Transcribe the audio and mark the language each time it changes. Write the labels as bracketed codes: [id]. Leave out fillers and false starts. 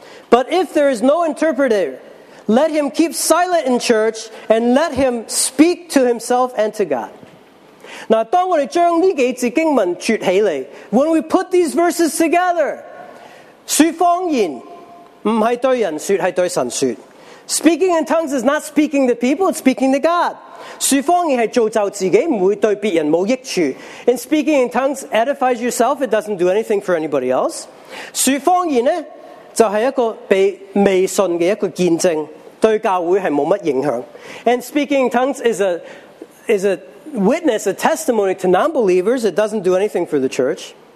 [en] But if there is no interpreter, let him keep silent in church and let him speak to himself and to God. [zh] 那当我们将这几节经文撮起来, [en] when we put these verses together, [zh] 说方言不是对人说，是对神说。 [en] Speaking in tongues is not speaking to people, it's speaking to God. [zh] 说方言是造就自己，不会对别人没益处。 [en] And speaking in tongues edifies yourself, it doesn't do anything for anybody else. [zh] 说方言呢，就是一个被未信的一个见证，对教会是没什么影响。 [en] And speaking in tongues is a witness, a testimony to non-believers, it doesn't do anything for the church.